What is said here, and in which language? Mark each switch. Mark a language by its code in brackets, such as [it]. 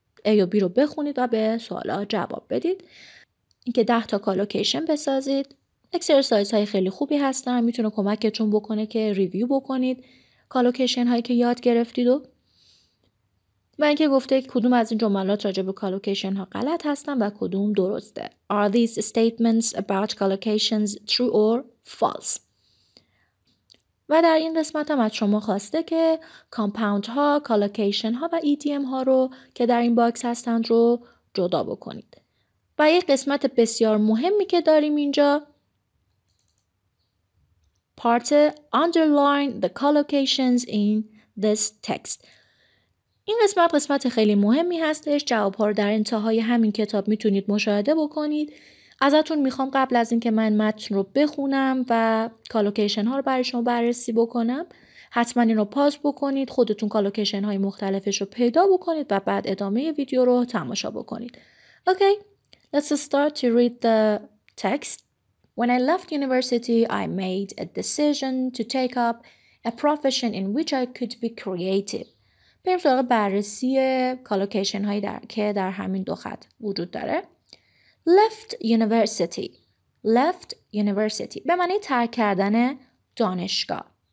[fa] A و B رو بخونید و به سوالا جواب بدید. اینکه 10 تا کالوکیشن بسازید. اکسرسایز های خیلی خوبی هستن، میتونه کمکتون بکنه که ریویو بکنید کالوکیشن هایی که یاد گرفتید. و من که گفته کدوم از این جملات راجع به کالوکیشن ها غلط هستن و کدوم درسته. [en] Are these statements about collocations true or false? [fa] و در این قسمت هم از شما خواسته که کامپاوند ها، کالوکیشن ها و ایدیم ها رو که در این باکس هستند رو جدا بکنید. و یک قسمت بسیار مهمی که داریم اینجا، [en] Part underline the collocations in this text. [fa] این قسمت خیلی مهمی هستش. جواب‌ها رو در انتهای همین کتاب میتونید مشاهده بکنید. ازتون میخوام قبل از اینکه من متن رو بخونم و کالوکیشن ها رو برای شما بررسی بکنم، حتما این رو پاس بکنید، خودتون کالوکیشن های مختلفش رو پیدا بکنید و بعد ادامه ویدیو رو تماشا بکنید. [en] Okay, let's start to read the text. When I left university, I made a decision to take up a profession in which I could be creative. [fa] بریم سراغ بررسی کالوکیشن هایی که در همین دو خط وجود داره. [en] Left university [fa] به معنی ترک کردن دانشگاه.